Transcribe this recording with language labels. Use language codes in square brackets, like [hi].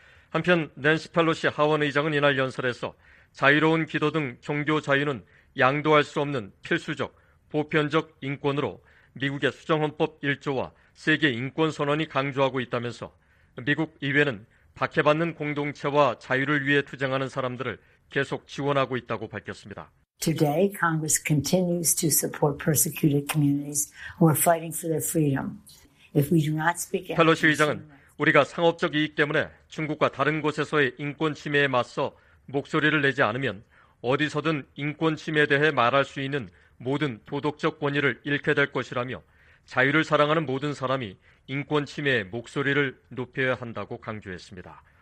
[ko] 한편 낸시 펠로시 하원의장은 이날 연설에서 자유로운 기도 등 종교 자유는 양도할 수 없는 필수적, 보편적 인권으로 미국의 수정헌법 1조와 세계인권선언이 강조하고 있다면서 미국 의회는 박해받는 공동체와 자유를 위해 투쟁하는 사람들을 계속 지원하고 있다고 밝혔습니다. [en] Today, Congress continues to support persecuted communities who are fighting for their freedom. If we do not speak out, [ko] 펠로시 의장은 우리가 상업적 이익 때문에 중국과 다른 곳에서의 인권 침해에 맞서 목소리를 내지 않으면 어디서든 인권 침해에 대해 말할 수 있는 모든 도덕적 권위를 잃게 될 것이라며 자유를 사랑하는 모든 사람이 인권 침해의 목소리를 높여야 한다고 강조했습니다.